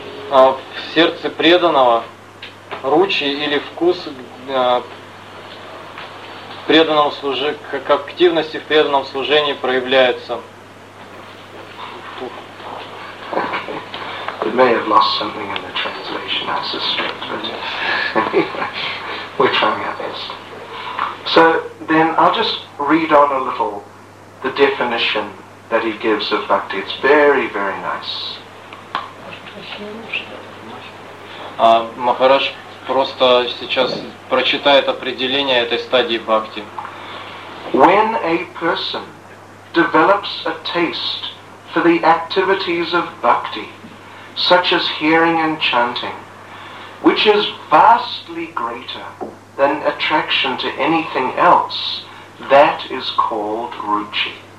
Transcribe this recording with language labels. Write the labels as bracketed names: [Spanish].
[Russian] в сердце преданного ручи или вкус преданного служения, к активности в преданном служении проявляется. [English] We may have lost something in the translation, I suspect, but anyway, we're trying our best. So then I'll just read on a little the definition that he gives of bhakti. It's very, very nice. [Russian] Махарадж просто сейчас прочитает определение этой стадии бхакти. [English] When a person develops a taste for the activities of bhakti, such as hearing and chanting, which is vastly greater than attraction to anything else, that is called ruchi.